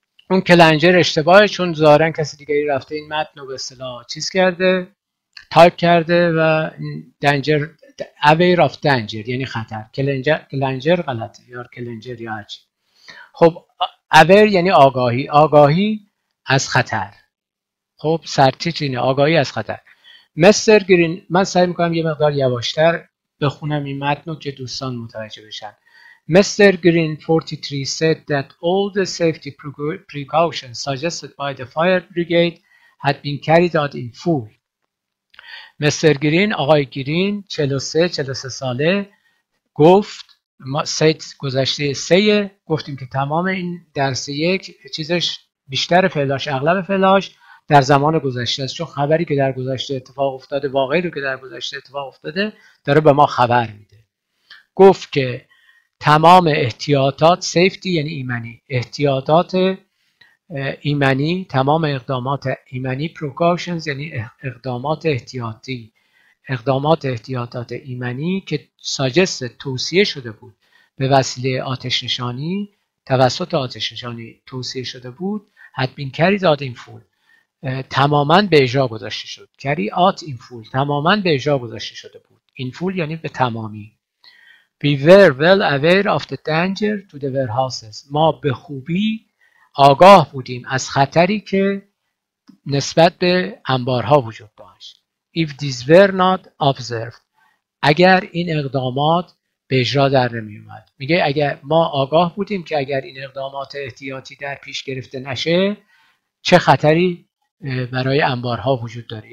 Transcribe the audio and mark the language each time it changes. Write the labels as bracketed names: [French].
[Persian] اون کلنجر اشتباهه، چون ظاهرن کسی دیگری رفته این متن رو به اصطلاح چیز کرده، تایپ کرده، و دنجر [English] Aware of Danger [Persian] یعنی خطر، کلنجر غلطه یا کلنجر یا هرچی. خب Aware یعنی آگاهی، آگاهی از خطر. خب سرتیتر اینه، آگاهی از خطر. مستر گرین، من سعی میکنم یه مقدار یواشتر بخونم این متن رو که دوستان متوجه بشن. [English] Mr. Green, 43, said that all the safety precautions suggested by the fire brigade had been carried out in full. Mr. [Persian] Green, آقای گرین, 43 ساله, گفت, said, گذشته سه, گفتیم که تمام این درس یک چیزش بیشتر فعلاش, اغلب فعلاش در زمان گذشته است. چون خبری که در گذشته اتفاق افتاده, واقعی رو که در گذشته اتفاق افتاده, داره به ما خبر میده. گفت که تمام احتیاطات سیفتی یعنی ایمنی، احتیاطات ایمنی، تمام اقدامات ایمنی precautions یعنی اقدامات احتیاطی، اقدامات احتیاطات ایمنی که suggest توصیه شده بود به وسیله آتش نشانی، توسط آتش نشانی توصیه شده بود، [English] had been carried out in full، [Persian] تماما به اجرا گذاشته شد، [English] carry out in full، [Persian] تماما به اجرا گذاشته شده بود. [English] In full [Persian] یعنی به تمامی. [English] We were well aware of the danger to the warehouses. [Persian] ما به خوبی آگاه بودیم از خطری که نسبت به انبارها وجود داشت. [English] If these were not observed. [Persian] اگر این اقدامات به اجرا در نمی اومد. میگه اگر ما آگاه بودیم که اگر این اقدامات احتیاطی در پیش گرفته نشه چه خطری برای انبارها وجود داره.